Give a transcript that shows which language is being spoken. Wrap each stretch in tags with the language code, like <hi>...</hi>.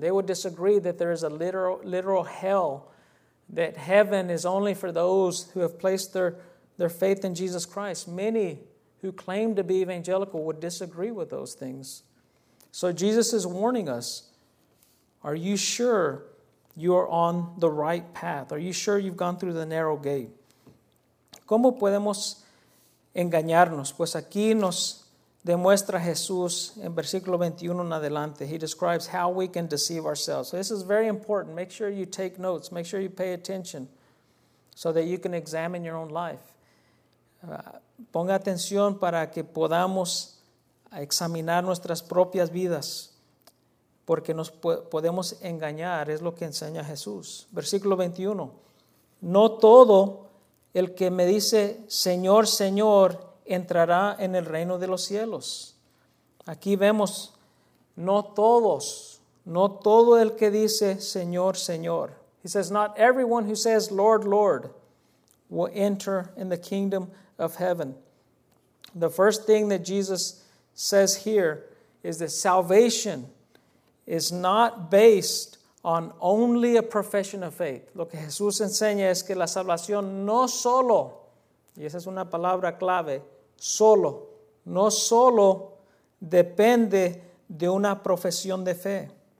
<en>They would disagree that there is a literal hell, that heaven is only for those who have placed their faith in Jesus Christ. Many who claim to be evangelical would disagree with those things. So Jesus is warning us, are you sure you are on the right path? Are you sure you've gone through the narrow gate?</en> <es>¿Cómo podemos engañarnos? Pues aquí nos demuestra Jesús en versículo 21 en adelante.</es> <en>He describes how we can deceive ourselves. So this is very important. Make sure you take notes. Make sure you pay attention so that you can examine your own life.</en> <es>Ponga atención para que podamos a examinar nuestras propias vidas, porque nos podemos engañar, es lo que enseña Jesús. Versículo 21, no todo el que me dice Señor, Señor, entrará en el reino de los cielos. Aquí vemos, no todo el que dice Señor, Señor.</es> <en>He says, not everyone who says Lord, Lord will enter in the kingdom of heaven. The first thing that Jesus says here is that salvation is not based on only a profession of faith.</en> <es>Lo que Jesús enseña es que la salvación no solo, y esa es una palabra clave, solo, no solo depende de una profesión de fe.</es>